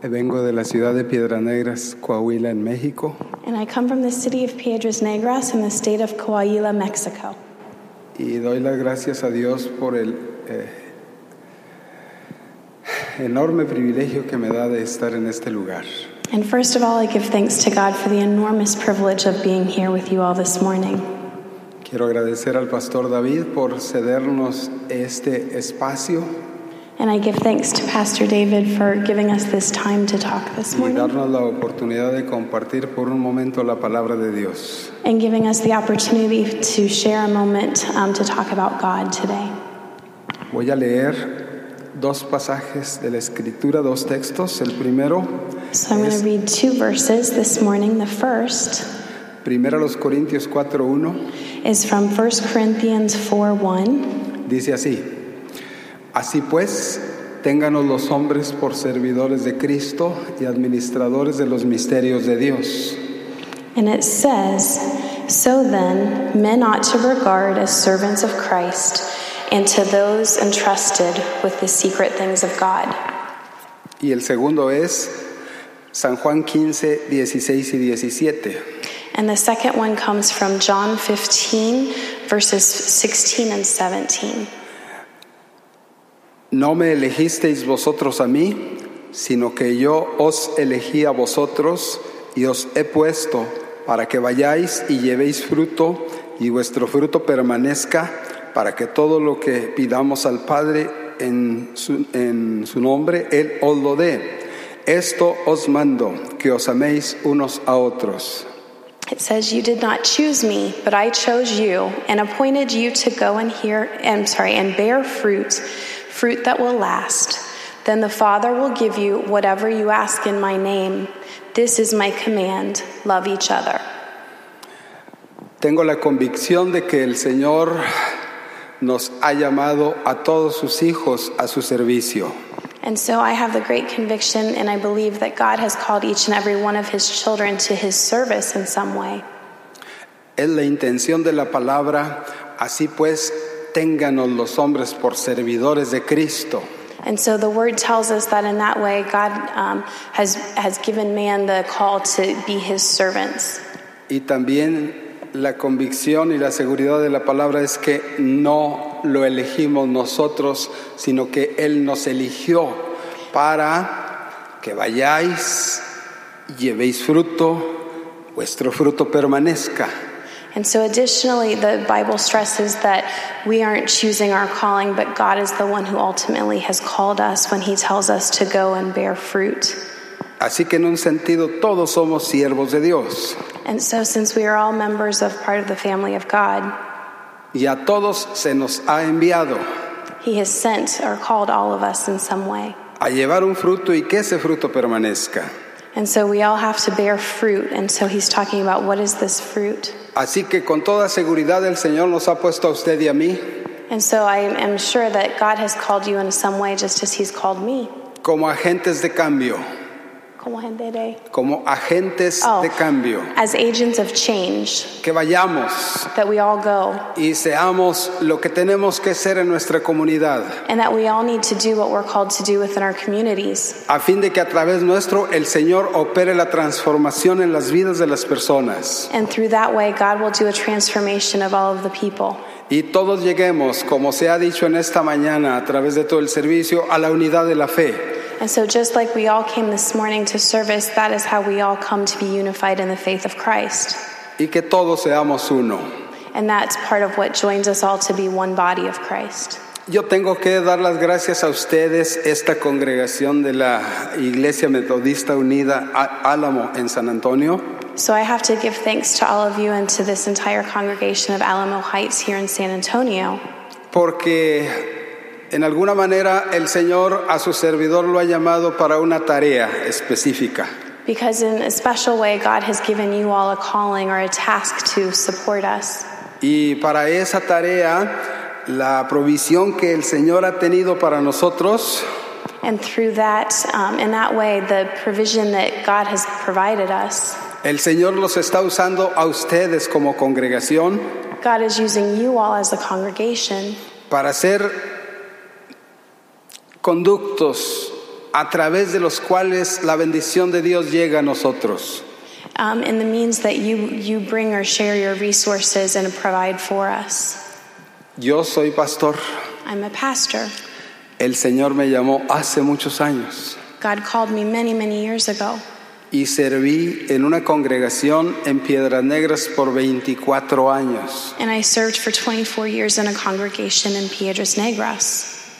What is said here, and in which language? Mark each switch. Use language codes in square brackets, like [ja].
[es] Vengo de la ciudad de Piedras Negras, Coahuila, en México. [en] And I come from the city of Piedras Negras in the state of Coahuila, Mexico. [es] Y doy las gracias a Dios por el enorme privilegio que me da de estar en este lugar. [en] And first of all, I give thanks to God for the enormous privilege of being here with you all this morning. [es] Quiero agradecer al Pastor David por cedernos este espacio. [en] And I give thanks to Pastor David for giving us this time to talk this morning. [es] Y darnos la oportunidad de compartir por un momento la palabra de Dios. [en] And giving us the opportunity to share a moment to talk about God today. [es] Voy a leer dos pasajes de la Escritura, dos textos. El primero. [en] So I'm going to read two verses this morning. The first, [es] Primera los Corintios 4:1, [en] is from 1 Corinthians 4:1. [es] Dice así: Así pues, ténganos los hombres por servidores de Cristo y administradores de los misterios de Dios. [en] And it says, So then, men ought to regard as servants of Christ and to those entrusted with the secret things of God. [es] Y el segundo es San Juan 15, 16 y 17. [en] And the second one comes from John 15, verses 16 and 17. [es] No me elegisteis vosotros a mí, sino que yo os elegí a vosotros y os he puesto para que vayáis y llevéis fruto y vuestro fruto permanezca, para que todo lo que pidamos al Padre en su nombre, Él os lo dé. Esto os mando, que os améis unos a otros. [en] It says, you did not choose me, but I chose you and appointed you to go and bear fruit that will last. Then the Father will give you whatever you ask in my name. This is my command. Love each other. [es] Tengo la convicción de que el Señor nos ha llamado a todos sus hijos a su servicio. [en] And so I have the great conviction, and I believe that God has called each and every one of his children to his service in some way. [es] Es la intención de la palabra, así pues, ténganos los hombres por servidores de Cristo. [en] And so the word tells us that in that way, God has given man the call to be his servants. [es] Y también la convicción y la seguridad de la palabra es que no lo elegimos nosotros, sino que Él nos eligió para que vayáis, llevéis fruto, vuestro fruto permanezca. [en] And so additionally, the Bible stresses that we aren't choosing our calling, but God is the one who ultimately has called us when he tells us to go and bear fruit. [es] Así que en un sentido, todos somos siervos de Dios. [en] And so since we are all members of part of the family of God, [es] y a todos se nos ha enviado, [en] he has sent or called all of us in some way, [es] a llevar un fruto y que ese fruto permanezca. [en] And so we all have to bear fruit. And so he's talking about, what is this fruit? [es] Así que con toda seguridad el Señor nos ha puesto a usted y a mí. [en] And so I am sure that God has called you in some way, just as he's called me. [es] Como agentes de cambio. Como gente de. Como agentes de cambio. [en] As agents of change. [es] Que vayamos. [en] That we all go. [es] Y seamos lo que tenemos que ser en nuestra comunidad. [en] And that we all need to do what we're called to do within our communities. [es] A fin de que a través nuestro el Señor opere la transformación en las vidas de las personas. [en] And through that way God will do a transformation of all of the people. [es] Y todos lleguemos, como se ha dicho en esta mañana a través de todo el servicio, a la unidad de la fe. [en] And so just like we all came this morning to service, that is how we all come to be unified in the faith of Christ. [es] Y que todos seamos uno. [en] And that's part of what joins us all to be one body of Christ. [es] Yo tengo que dar las gracias a ustedes, esta congregación de la Iglesia Metodista Unida Alamo en San Antonio. [en] So I have to give thanks to all of you and to this entire congregation of Alamo Heights here in San Antonio. [es] Porque en alguna manera el Señor a su servidor lo ha llamado para una tarea específica. [en] Because in a special way God has given you all a calling or a task to support us. [es] Y para esa tarea, la provisión que el Señor ha tenido para nosotros, [en] and through that, in that way, the provision that God has provided us, [es] el Señor los está usando a ustedes como congregación. [en] God is using you all as a congregation. [es] Para ser conductos a través de los cuales la bendición de Dios llega a nosotros. [en] In the means that you bring or share your resources and provide for us. [es] Yo soy pastor. [en] I'm a pastor. [es] El Señor me llamó hace muchos años. [en] God called me many, many years ago. [es] Y serví en una congregación en Piedras Negras por 24 años. [en] And I served for 24 years in a congregation in Piedras Negras.